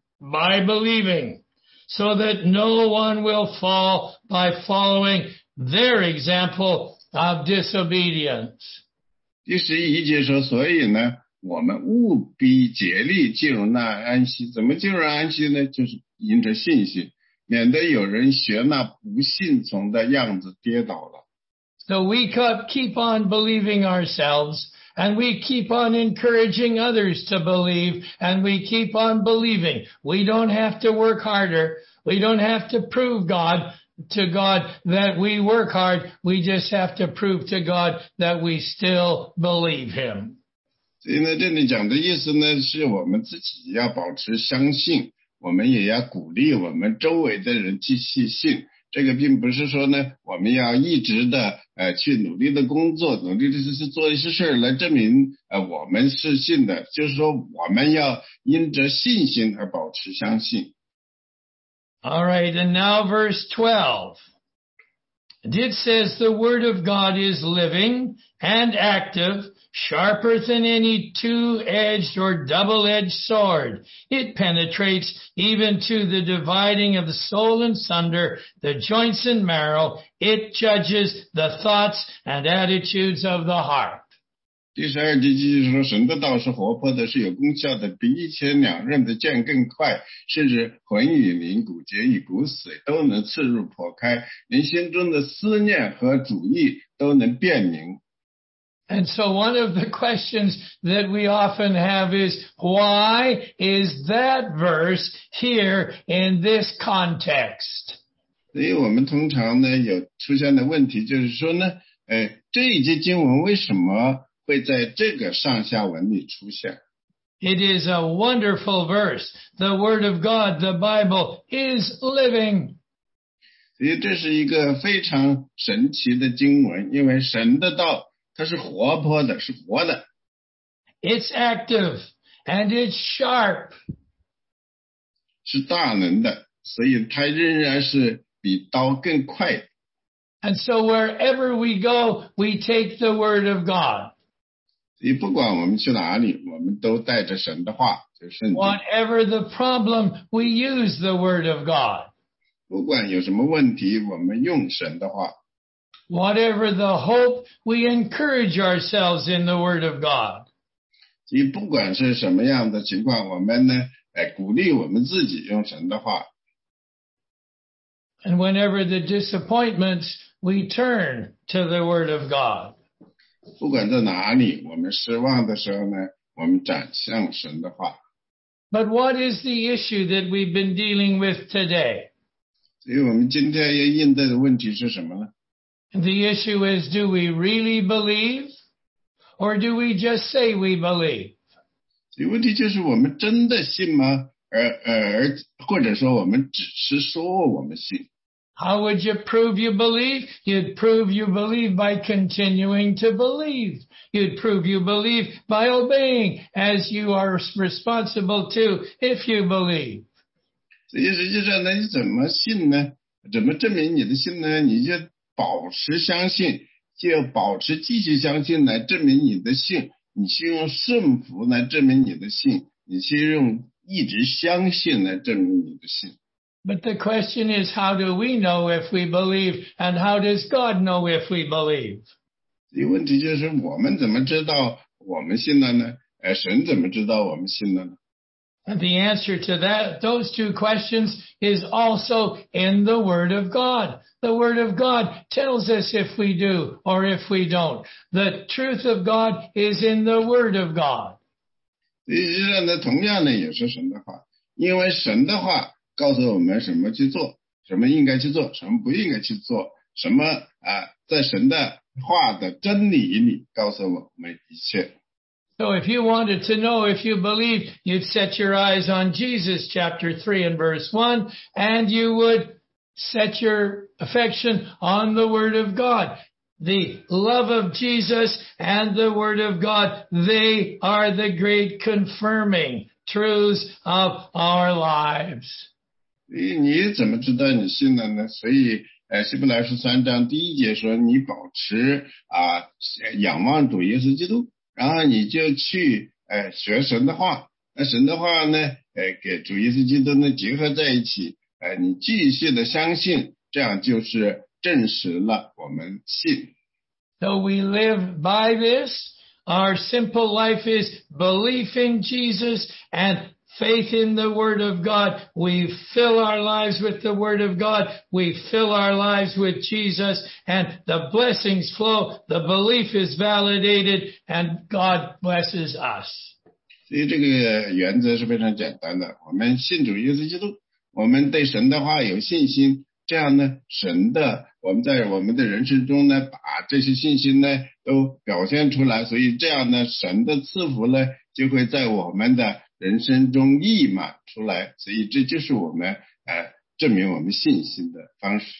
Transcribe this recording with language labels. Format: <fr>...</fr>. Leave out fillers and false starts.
<en>By believing, so that no one will fall by following their example of disobedience.</en> <zh>第十一节说，所以呢，我们务必竭力进入那安息。怎么进入安息呢？就是因着信心，免得有人学那不信从的样子跌倒了。</zh> <en>So we keep on believing ourselves, and we keep on encouraging others to believe, and we keep on believing. We don't have to work harder. We don't have to prove God to God that we work hard. We just have to prove to God that we still believe him.</en> <zh>所以呢，这里讲的意思呢，是我们自己要保持相信，我们也要鼓励我们周围的人继续信。这个并不是说呢，我们要一直的去努力的工作，努力的是做一些事儿来证明我们是信的，就是说我们要因着信心而保持相信。</zh> <en>All right, and now verse 12. It says, the word of God is living and active, sharper than any two-edged or double-edged sword. It penetrates even to the dividing of the soul and sunder, the joints and marrow. It judges the thoughts and attitudes of the heart.</en> <zh>第十二节继续说，神的道是活泼的，是有功效的，比一千两刃的剑更快，甚至魂与灵、骨节与骨髓都能刺入破开，连心中的思念和主意都能辨明。</zh> <en>And so one of the questions that we often have is, why is that verse here in this context?</en> <zh>所以我们通常呢有出现的问题就是说呢，这一节经文为什么会在这个上下文里出现？</zh> <en>It is a wonderful verse. The Word of God, the Bible, is living.</en> <zh>所以这是一个非常神奇的经文，因为神的道它是活泼的，是活的。</zh> <en>It's active and it's sharp.</en> <zh>是大能的，所以它仍然是比刀更快。</zh> <en>And so wherever we go, we take the word of God.</en> <zh>所以不管我们去哪里，我们都带着神的话，就是圣经。</zh> <en>Whatever the problem, we use the word of God.</en> <zh>不管有什么问题，我们用神的话。</zh> <en>Whatever the hope, we encourage ourselves in the Word of God.</en> <zh>即不管是什么样的情况，我们呢，鼓励我们自己用神的话。</zh> <en>And whenever the disappointments, we turn to the Word of God.</en> <zh>不管在哪里，我们失望的时候呢，我们转向神的话。</zh> <en>But what is the issue that we've been dealing with today?</en> <zh>所以我们今天要应对的问题是什么呢？</zh> <en>The issue is, do we really believe, or do we just say we believe?</en> <zh>所以问题就是我们真的信吗？或者说我们只是说我们信。</zh> <en>How would you prove you believe? You'd prove you believe by continuing to believe. You'd prove you believe by obeying, as you are responsible to, if you believe.</en> <zh>所以实际上呢，你怎么信呢？怎么证明你的信呢？你就保持相信，就保持继续相信来证明你的信，你是用顺服来证明你的信，你是用一直相信来证明你的信。</zh> <en>But the question is, how do we know if we believe, and how does God know if we believe?</en> <zh>所以问题就是我们怎么知道我们信了呢？神怎么知道我们信了呢？</zh> <en>And the answer to that, those two questions is also in the Word of God. The Word of God tells us if we do or if we don't. The truth of God is in the Word of God.</en> <zh>实际上呢，同样呢，也是神的话，因为神的话告诉我们什么去做，什么应该去做，什么不应该去做，什么啊，在神的话的真理里告诉我们一切。</zh> <en>So if you wanted to know if you believe, you'd set your eyes on Jesus, chapter 3 and verse 1, and you would set your affection on the Word of God. The love of Jesus and the Word of God, they are the great confirming truths of our lives.</en> <zh>你怎么知道你信了呢？所以希伯来书三章第一节说，你保持仰望主耶稣基督，然后你就去学神的话。那神的话呢，给主耶稣基督呢结合在一起。你继续的相信，这样就是证实了我们信。</zh> <en>So we live by this. Our simple life is belief in Jesus and faith in the Word of God. We fill our lives with the Word of God. We fill our lives with Jesus and the blessings flow. The belief is validated and God blesses us.</en> <zh>所以这个原则是非常简单的。我们信主耶稣基督。我们对神的话有信心，这样呢，神的我们在我们的人生中呢，把这些信心呢都表现出来，所以这样呢，神的赐福呢就会在我们的人生中溢满出来，所以这就是我们证明我们信心的方式。</zh>